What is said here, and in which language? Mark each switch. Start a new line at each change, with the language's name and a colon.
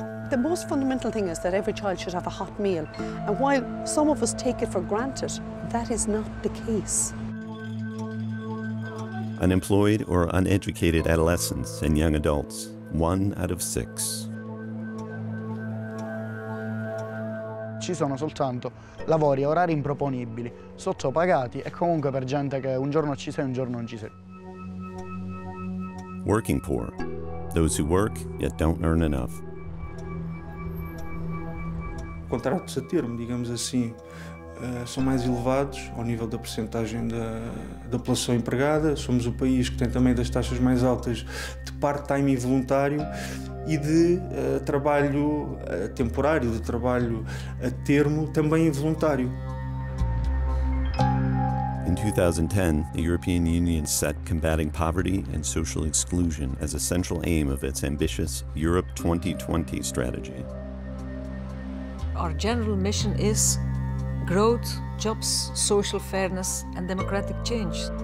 English: The most fundamental thing is that every child should have a hot meal. And while some of us take it for granted, that is not the case. Unemployed or uneducated adolescents and young adults, one out of six.
Italian: Ci sono soltanto lavori a orari improponibili, sottopagati e comunque per gente che un giorno ci sei, un giorno non ci sei.
English: Working poor, those who work yet don't earn enough.
Portuguese: Contratos a termo, digamos assim, são mais elevados ao nível da percentagem da população empregada. Somos o país que tem também das taxas mais altas de part-time involuntário e de trabalho temporário, de trabalho a termo, também involuntário.
English: In 2010, the European Union set combating poverty and social exclusion as a central aim of its ambitious Europe 2020 strategy. Our general mission is growth, jobs, social fairness, and democratic change.